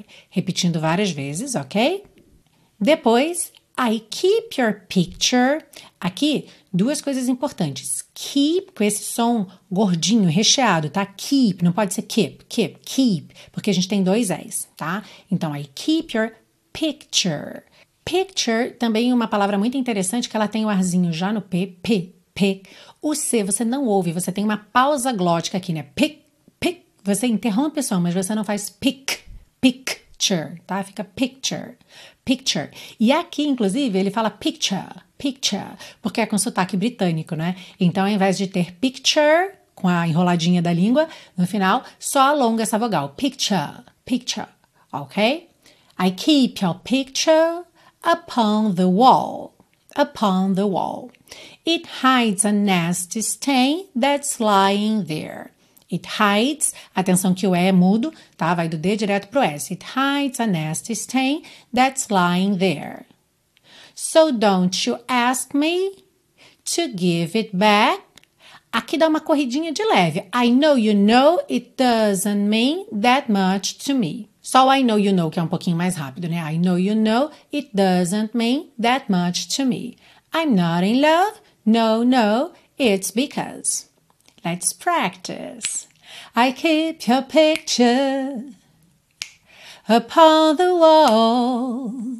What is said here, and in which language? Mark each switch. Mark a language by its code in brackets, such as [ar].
[pt] Repetindo várias vezes, ok? [en] Depois, I keep your picture. [pt] Aqui, duas coisas importantes. Keep, com esse som gordinho, recheado, tá? Keep, não pode ser keep, porque a gente tem dois S, tá? Então, I keep your picture. Picture também é uma palavra muito interessante, que ela tem o arzinho já no p. O C você não ouve, você tem uma pausa glótica aqui, né? Pic. Você interrompe o som, mas você não faz picture, tá? Fica picture, picture. E aqui, inclusive, ele fala picture, picture, porque é com sotaque britânico, né? Então, ao invés de ter picture, com a enroladinha da língua, no final, só alonga essa vogal. Picture, picture, ok? [en] I keep your picture upon the wall. Upon the wall. It hides a nasty stain that's lying there. [pt] It hides, atenção que o E é mudo, tá? Vai do D direto pro S. [en] It hides a nasty stain that's lying there. So don't you ask me to give it back. [pt] Aqui dá uma corridinha de leve. [en] I know you know it doesn't mean that much to me. [pt] Só o I know you know, que é um pouquinho mais rápido, né? [en] I know you know, it doesn't mean that much to me. I'm not in love, no, no, it's because. Let's practice. I keep your picture upon the wall.